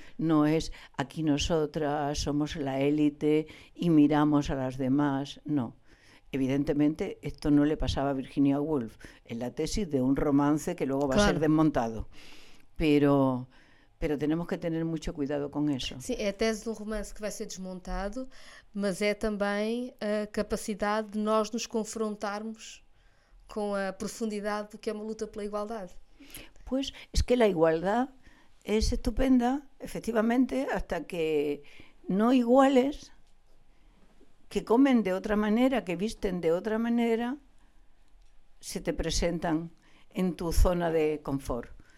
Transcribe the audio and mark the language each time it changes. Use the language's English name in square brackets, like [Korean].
[Spanish] No es aquí nosotras somos la élite y miramos a las demás. No. Evidentemente, esto no le pasaba a Virginia Woolf en la tesis de un romance que luego va a ser Claro. desmontado. Pero tenemos que tener mucho cuidado con eso. [Portuguese] Sim, é a tese de um romance que vai ser desmontado, mas é também a capacidade de nós nos confrontarmos com a profundidade do que é uma luta pela igualdade. [Spanish] Pues es que la igualdad es estupenda, efectivamente, hasta que no iguales, que comen de otra manera, que visten de otra manera, se te presentan en tu zona de confort.